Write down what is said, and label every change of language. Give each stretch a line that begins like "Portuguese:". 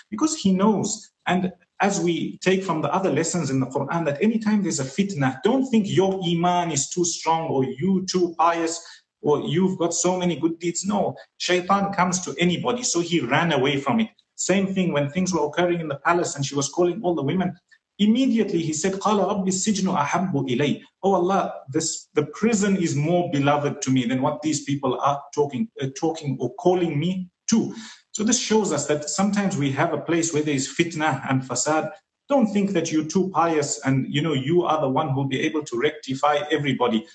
English: Because he knows. And as we take from the other lessons in the Quran, that anytime there's a fitna, don't think your iman is too strong or you too pious, or you've got so many good deeds. No, shaitan comes to anybody. So he ran away from it. Same thing when things were occurring in the palace and she was calling all the women. Immediately he said,
Arabic: قَالَ رَبِّ السِّجْنُ أَحَبُّ إِلَيْ.
English: Oh Allah, the prison is more beloved to me than what these people are talking or calling me to. So this shows us that sometimes we have a place where there is fitna and fasad. Don't think that you're too pious and you know you are the one who'll be able to rectify everybody.